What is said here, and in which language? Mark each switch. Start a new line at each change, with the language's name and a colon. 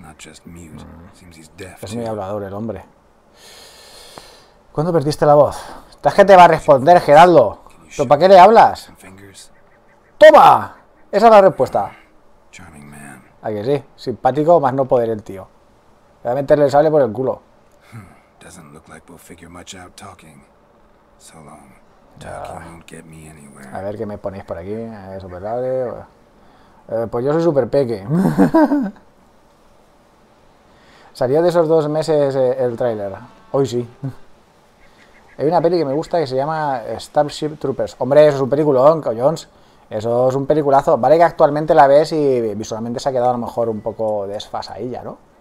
Spanish: Es muy hablador el hombre. ¿Cuándo perdiste la voz? ¿Estás que te va a responder, Geraldo? ¿Pero para qué le hablas? ¡Toma! Esa es la respuesta. ¿A que sí? Simpático, más no poder el tío. Voy a meterle el sable por el culo.
English: Doesn't look like we'll figure much out talking. So long. Talking won't get me anywhere.
Spanish: A ver qué me ponéis por aquí. Super grave. Pues yo soy super peque. Salió de esos dos meses el tráiler. Hoy sí. Hay una peli que me gusta que se llama Starship Troopers. Hombre, eso es un peliculón, coñones. Eso es un peliculazo. Vale que actualmente la ves y visualmente se ha quedado a lo mejor un poco desfasadilla, ¿no?